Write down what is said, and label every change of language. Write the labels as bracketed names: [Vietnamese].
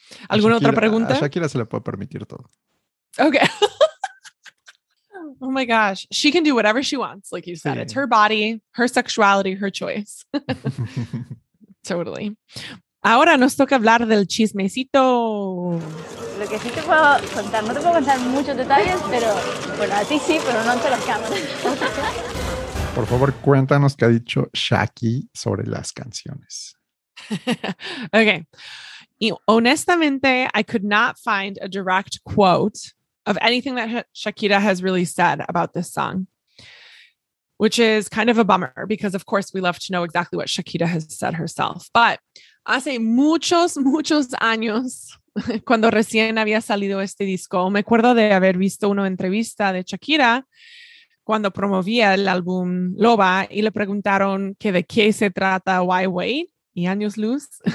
[Spanish] ¿Alguna Shakira, otra pregunta? A Shakira se le puede permitir todo. [English] Okay. Oh my gosh. She can do whatever she wants. Like you said, it's her body, her sexuality, her choice. Totally. [Spanish] Ahora nos toca hablar del chismecito. Lo que sí te puedo contar, no te puedo contar muchos detalles, pero bueno, a ti sí, pero no ante las cámaras. Por favor, cuéntanos qué ha dicho Shaki sobre las canciones. Okay. Y honestamente, [English] I could not find a direct quote of anything that Shakira has really said about this song, which is kind of a bummer because, of course, we love to know exactly what Shakira has said herself. But [Spanish] hace muchos, muchos años, cuando recién había salido este disco, me acuerdo de haber visto una entrevista de Shakira cuando promovía el álbum Loba y le preguntaron que de qué se trata Why Wait y Años Luz.